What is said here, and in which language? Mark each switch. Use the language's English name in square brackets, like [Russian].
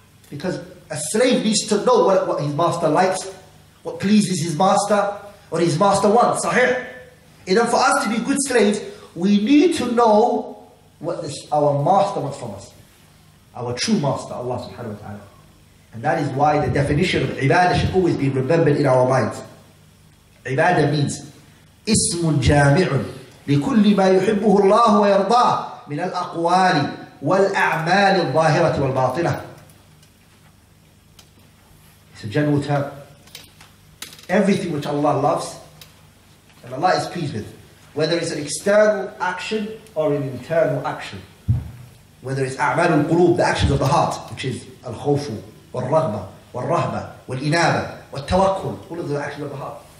[English] Because a slave needs to know what his master likes, what pleases his master, what his master wants, sahih? And then for us to be good slaves, we need to know what this, our master wants from us. Our true master, Allah subhanahu wa ta'ala. And that is why the definition of ibadah should always be remembered in our minds. [Arabic] Ibadah means ismun jami'un لكل ما يحبه الله ويرضاه من الأقوال والأعمال الظاهرة والباطنة. [English] It's a general term. Everything which Allah loves and Allah is pleased with, whether it's an external action or an internal action, whether it's [Arabic] أعمال القلوب, [English] the actions of the heart, which is [Arabic] الخوف والرغبة والرهبة والإنابة والتوكل, [English] all of the actions of the heart.